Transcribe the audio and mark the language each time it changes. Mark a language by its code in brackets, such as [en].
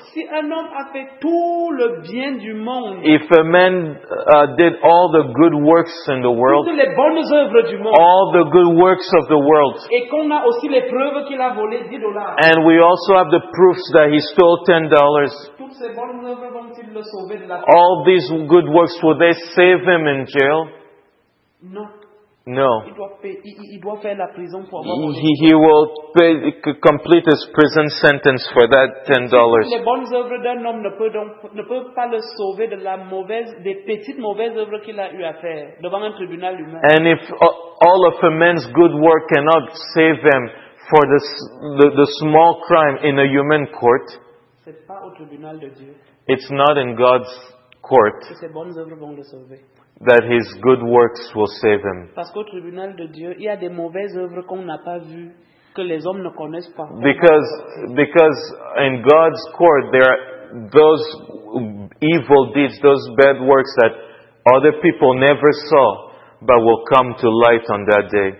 [en] If a man did all the good works in the world, all the good works of the world, and we also have the proofs that he stole $10, all these good works, will they save him in jail? No. No. He will pay, complete his prison sentence for that $10. [fr] Les bonnes œuvres d'un homme ne peuvent pas le sauver de la mauvaise, des petites mauvaises œuvres qu'il a eu à faire devant un tribunal humain. [en] And if all of a man's good work cannot save him for the small crime in a human court, [fr] c'est pas au tribunal de Dieu. [en] It's not in God's court. [fr] Que ses bonnes œuvres vont le sauver. [en] That his good works will save him. [fr] Parce qu'au tribunal de Dieu, il y a des mauvaises œuvres qu'on n'a pas vues, que les hommes ne connaissent pas. [en] Because in God's court, there are those evil deeds, those bad works that other people never saw, but will come to light on that day.